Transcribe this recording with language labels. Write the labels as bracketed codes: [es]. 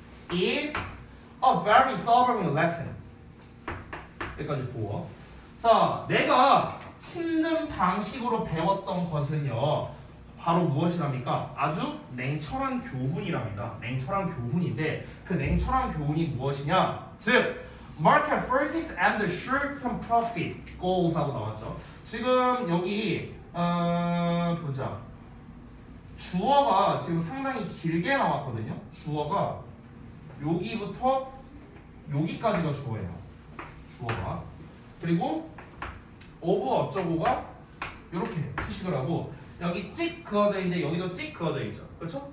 [en] Is a very sobering lesson. [ko] 여기까지 보어. 자, 내가 힘든 방식으로 배웠던 것은요. 바로 무엇이랍니까? 아주 냉철한 교훈이랍니다. 냉철한 교훈인데 그 냉철한 교훈이 무엇이냐? 즉, [en] market forces and the short-term profit goals [ko] 하고 나왔죠. 지금 여기 보자. 주어가 지금 상당히 길게 나왔거든요. 주어가 여기부터 여기까지가 주어예요. 주어가. 그리고 of 어쩌고가 이렇게 수식을 하고 여기 찍 그어져 있는데 여기도 찍 그어져 있죠. 그렇죠?